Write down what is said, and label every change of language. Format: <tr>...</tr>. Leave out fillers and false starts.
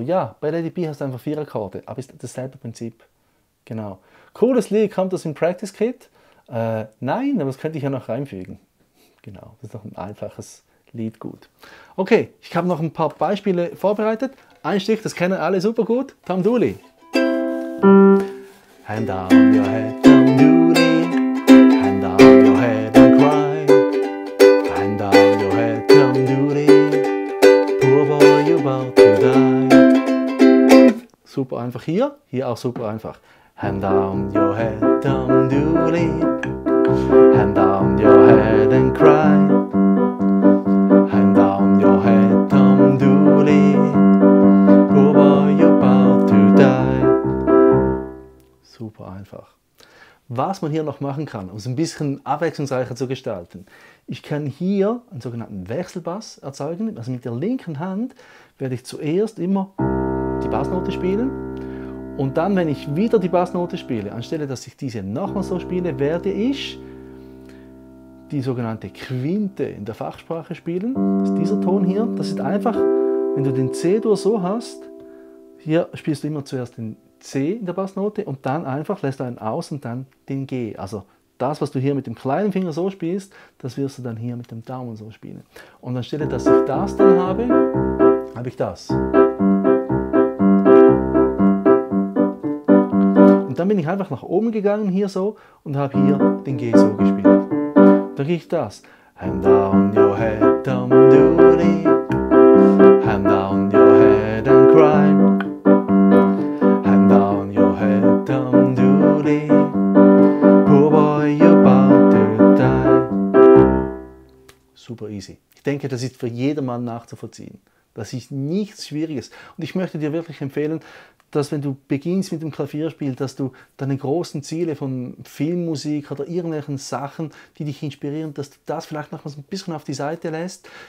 <de>Ja, bei Let It Be hast du einfach vier Akkorde, aber ist dasselbe Prinzip. Genau. Cooles Lied, kommt das im Practice Kit? Nein, aber das könnte ich ja noch reinfügen. Genau, das ist doch ein einfaches Lied, gut. Okay, ich habe noch ein paar Beispiele vorbereitet. Ein Stück, das kennen alle super gut, Tom Dooley.</de> <en>Hand on your head, Tom Dooley. Hand on your head and cry. Hand on your head, Tom Dooley. Poor boy, you're about to die.</en> <de>Super einfach hier, hier auch super einfach.</de> <en>Hand on your head, Tom Dooley. Hand down your head and cry. Hand down your head, Tom Dooley. Poor boy, you're about to die.</en> <de>Super einfach. Was man hier noch machen kann, um es ein bisschen abwechslungsreicher zu gestalten. Ich kann hier einen sogenannten Wechselbass erzeugen. Also mit der linken Hand werde ich zuerst immer die Bassnote spielen. Und dann, wenn ich wieder die Bassnote spiele, anstelle, dass ich diese nochmal so spiele, werde ich die sogenannte Quinte in der Fachsprache spielen. Das ist dieser Ton hier. Das ist einfach, wenn du den C-Dur so hast, hier spielst du immer zuerst den C in der Bassnote und dann einfach lässt du einen aus und dann den G. Also das, was du hier mit dem kleinen Finger so spielst, das wirst du dann hier mit dem Daumen so spielen. Und anstelle, dass ich das dann habe, habe ich das. Und dann bin ich einfach nach oben gegangen, hier so, und habe hier den G so gespielt. Da kriege ich das.</de> <en>Hand on your head, Tom Dooley. Hand on your head and cry. Hand on your head, Tom Dooley. Poor boy, you're about to die. Super easy.</en> <de>Ich denke, das ist für jedermann nachzuvollziehen. Das ist nichts Schwieriges. Und ich möchte dir wirklich empfehlen, dass wenn du beginnst mit dem Klavierspiel, dass du deine großen Ziele von Filmmusik oder irgendwelchen Sachen, die dich inspirieren, dass du das vielleicht nochmals ein bisschen auf die Seite lässt.</de>